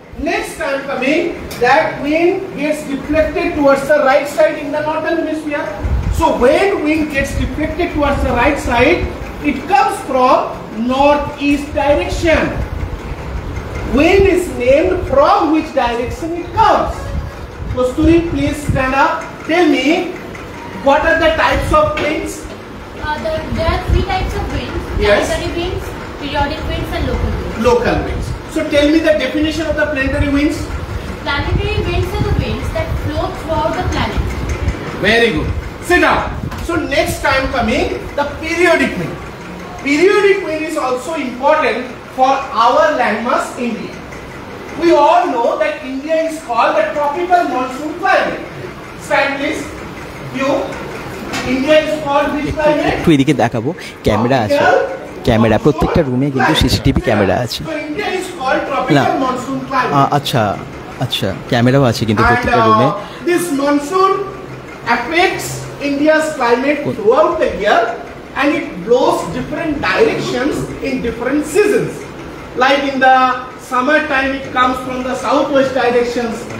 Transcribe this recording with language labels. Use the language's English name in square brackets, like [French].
[English] Next time coming that wing gets reflected towards the right side in the northern hemisphere, so when wing gets reflected towards the right side it comes from north east direction, wing is named from which direction it comes. Kasturi please stand up, tell me what are the types of winds. There are three types of winds, planetary winds, periodic winds and local winds. Local winds. So tell me the definition of the planetary winds. Planetary winds are the winds that flow throughout the planet. Very good. Sit down. So next time coming, the periodic wind. Periodic wind is also important for our landmass India. We all know that India is called the tropical monsoon climate. Stand please. You. India is called which climate? [Bangla] একটু এদিকে দেখাবো, camera আছে, camera প্রত্যেকটা রুমে কিন্তু CCTV camera আছে না? আচ্ছা আচ্ছা, ক্যামেরাও আছে কিন্তু প্রত্যেকটা রুমে। [English] this monsoon effects India's climate throughout the year and it blows different directions in different seasons, like in the summer time it comes from the south west directions,